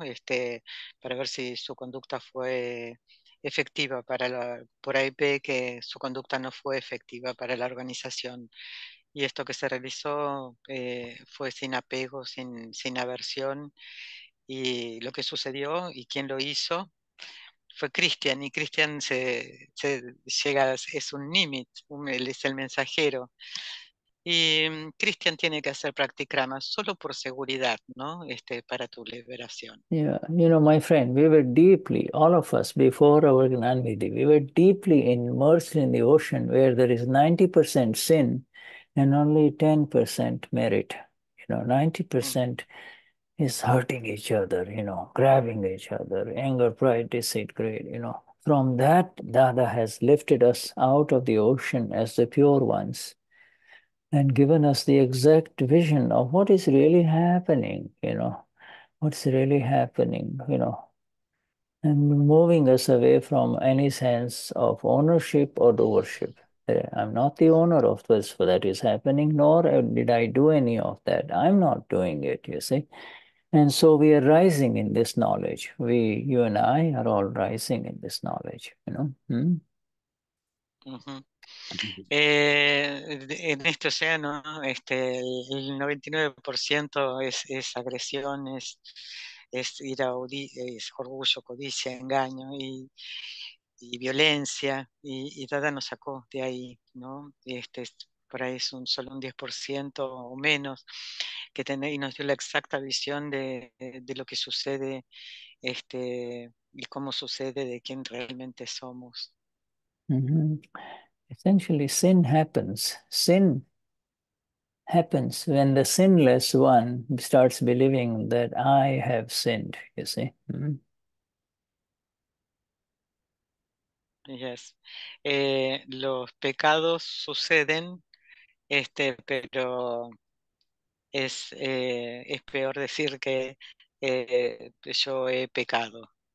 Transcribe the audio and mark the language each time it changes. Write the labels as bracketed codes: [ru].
[es] Este, para ver si su conducta fue efectiva para la, por ahí ve que su conducta no fue efectiva para la organización y esto que se realizó fue sin apego, sin aversión y lo que sucedió y quién lo hizo fue Cristian y Cristian se llega, es un nimit, es el mensajero y Cristian tiene que hacer practicrama solo por seguridad, ¿no? Este, para tu liberación. [en] Yeah, you know, my friend, we were deeply, all of us, before our Gnanvidhi, we were deeply immersed in the ocean where there is 90% sin and only 10% merit. You know, 90% is hurting each other, you know, grabbing each other, anger, pride, deceit, greed, you know. From that, Dada has lifted us out of the ocean as the pure ones and given us the exact vision of what is really happening, you know. What's really happening, you know, and moving us away from any sense of ownership or doership. I'm not the owner of this for that is happening, nor did I do any of that. I'm not doing it, you see. And so we are rising in this knowledge. We, you and I, are all rising in this knowledge, you know. [es] En este océano, este, el 99% es agresión, es ira, es orgullo, codicia, engaño y violencia. Y Dada nos sacó de ahí, ¿no? Este, por ahí es un, solo un 10% o menos que tiene, y nos dio la exacta visión de lo que sucede este, y cómo sucede, de quién realmente somos. [en] Essentially, sin happens. Sin happens when the sinless one starts believing that I have sinned, you see. Yes. [es] Los pecados suceden, este, pero es peor decir que yo he pecado.